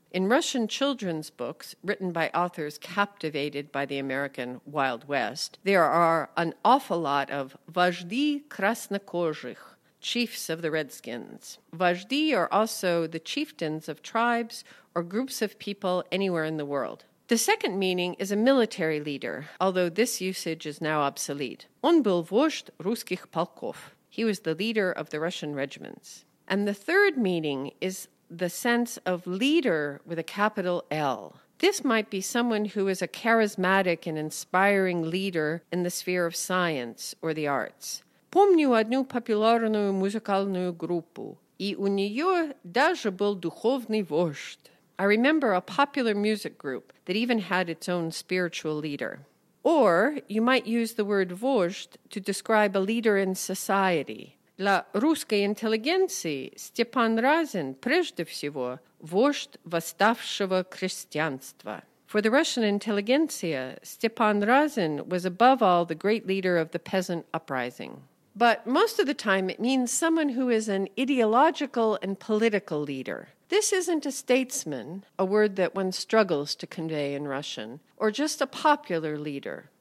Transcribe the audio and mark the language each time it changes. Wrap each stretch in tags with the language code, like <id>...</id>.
<en>In Russian children's books, written by authors captivated by the American Wild West, there are an awful lot of</en> <ru>vajdi krasnokozhikh,</ru> <en>chiefs of the Redskins. Vajdi are also the chieftains of tribes or groups of people anywhere in the world. The second meaning is a military leader, although this usage is now obsolete.</en> <ru>Он был вождь русских полков.</ru> <en>He was the leader of the Russian regiments. And the third meaning is the sense of leader with a capital L. This might be someone who is a charismatic and inspiring leader in the sphere of science or the arts.</en> <ru>Помню одну популярную музыкальную группу, и у нее даже был духовный вождь.</ru> <en>I remember a popular music group that even had its own spiritual leader. Or you might use the word вождь to describe a leader in society.</en> <ru>Для русской интеллигенции Степан Разин прежде всего вождь восставшего крестьянства.</ru> <en>For the Russian intelligentsia, Stepan Razin was above all the great leader of the peasant uprising. But most of the time, it means someone who is an ideological and political leader. This isn't a statesman, a word that one struggles to convey in Russian, or just a popular leader.</en>